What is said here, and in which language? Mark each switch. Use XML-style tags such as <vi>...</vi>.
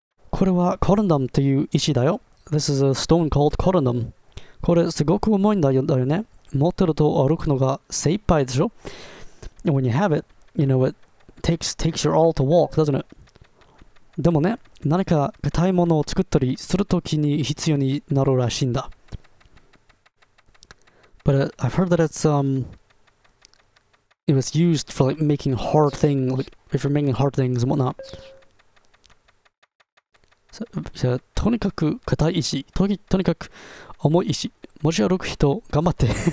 <ja>これはコロンダムという石だよ。</ja> <en>This is a stone called コロンダム。</en> <ja>これすごく重いんだよね。持ってると歩くのが精一杯でしょ。</ja> <en>And when you have it, you know, it takes your all to walk, doesn't it?</en> <ja>でもね、何か硬いものを作ったりするときに必要になるらしいんだ。</ja> <en>But I've heard that it was used for like making hard things, like if you're making hard things and whatnot.</en> <ja>So, とにかく硬い石、とにかく重い石、持ち歩く人、頑張って。</ja>